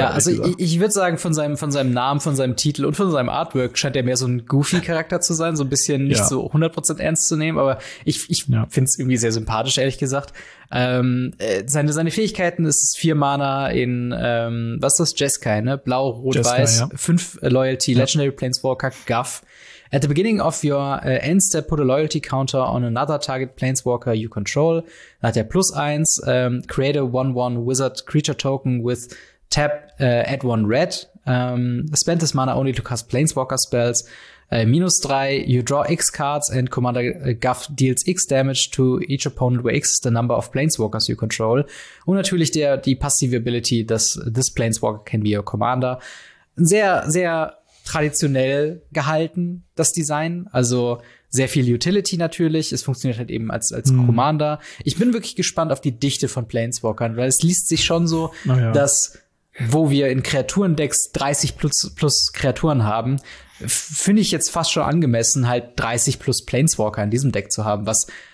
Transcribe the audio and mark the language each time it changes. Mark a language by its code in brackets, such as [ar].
[de] Ja, also ich würde sagen, von seinem Namen, von seinem Titel und von seinem Artwork scheint er mehr so ein Goofy-Charakter zu sein. So ein bisschen nicht so 100% ernst zu nehmen. Aber ich finde es irgendwie sehr sympathisch, ehrlich gesagt. Seine Fähigkeiten ist 4 Mana in, was ist das? Jeskai, ne? Blau, Rot, Jeskai, Weiß. Ja. 5 Loyalty, Legendary Planeswalker, Guff. [en] At the beginning of your end step, put a Loyalty Counter on another target Planeswalker you control. [de] Dann hat er [en] +1. Create a 1-1 Wizard Creature Token with Tap, add 1 Red. Spend this mana only to cast Planeswalker Spells. -3, you draw X cards and Commander Guff deals X damage to each opponent where X is the number of Planeswalkers you control. [de] Und natürlich die passive Ability, dass [en] this Planeswalker can be your Commander. [de] Sehr, sehr traditionell gehalten, das Design. Also sehr viel Utility natürlich. Es funktioniert halt eben als Commander. Ich bin wirklich gespannt auf die Dichte von Planeswalkern, weil es liest sich schon so, dass wo wir in Kreaturendecks 30 plus Kreaturen haben, finde ich jetzt fast schon angemessen, halt 30 plus Planeswalker in diesem Deck zu haben, was